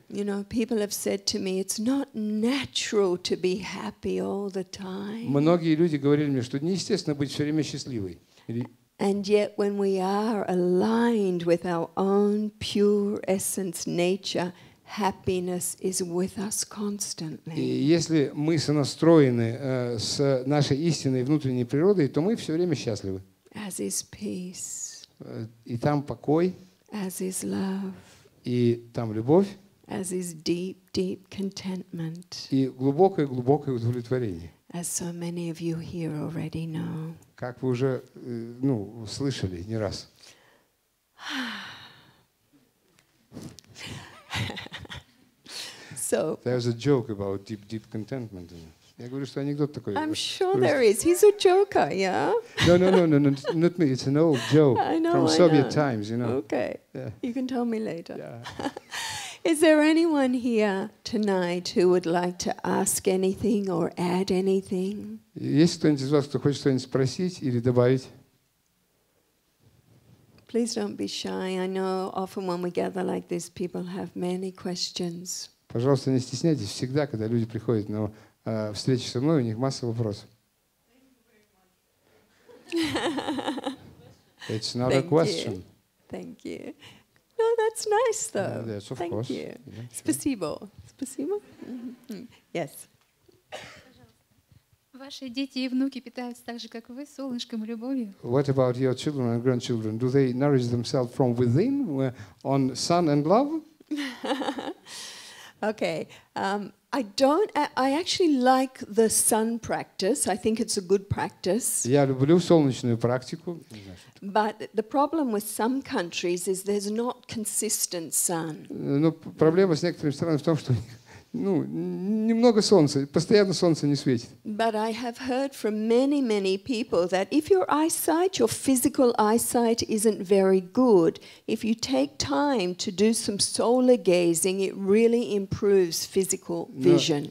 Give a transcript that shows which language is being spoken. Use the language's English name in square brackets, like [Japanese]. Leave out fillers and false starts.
[English] You know, people have said to me, it's not natural to be happy all the time. [Russian] Многие люди говорили мне, что неестественно быть все время счастливой. [English] And yet when we are aligned with our own pure essence nature, happiness is with us constantly. [Russian] Если мы сонастроены с нашей истинной внутренней природой, то мы все время счастливы. [English] As is peace. [Russian] И там покой. [English] As is love. [Russian] И там любовь. [English] As is deep, deep contentment. [Russian] И глубокое-глубокое удовлетворение. [English] As so many of you here already know. [Russian] Как вы уже, ну, слышали не раз. [English] So, there's a joke about deep, deep contentment. [Russian] Я говорю, что анекдот такой. [English] I'm sure there is. He's a joker, yeah? No, not me. It's an old joke. I know, from Soviet times, you know. Okay. Yeah. You can tell me later. Yeah. Is there anyone here tonight who would like to ask anything or add anything? [Russian] Есть кто-нибудь из вас, кто хочет что-нибудь спросить или добавить? [English] Please don't be shy. I know often when we gather like this, people have many questions. [Russian] Пожалуйста, не стесняйтесь. Всегда, когда люди приходят на встречи со мной, у них масса вопросов. [English] It's not a question. Thank you. No, that's nice, though. Yes, of Thank course. You. Yeah, sure. [Russian] Спасибо. Спасибо. [English] Yes. [Russian] Ваши дети и внуки питаются так же, как вы, солнышком и любовью? [English] What about your children and grandchildren? Do they nourish themselves from within, on sun and love? Okay. I actually like the sun practice. I think it's a good practice. [Russian] Я люблю солнечную практику. [English] But the problem with some countries is there's not consistent sun. [Russian] Но проблема с некоторыми странами в том, что ну, немного солнца, постоянно солнце не светит. [English] But I have heard from many, many people that if your eyesight, your physical eyesight isn't very good, if you take time to do some solar gazing, it really improves physical vision.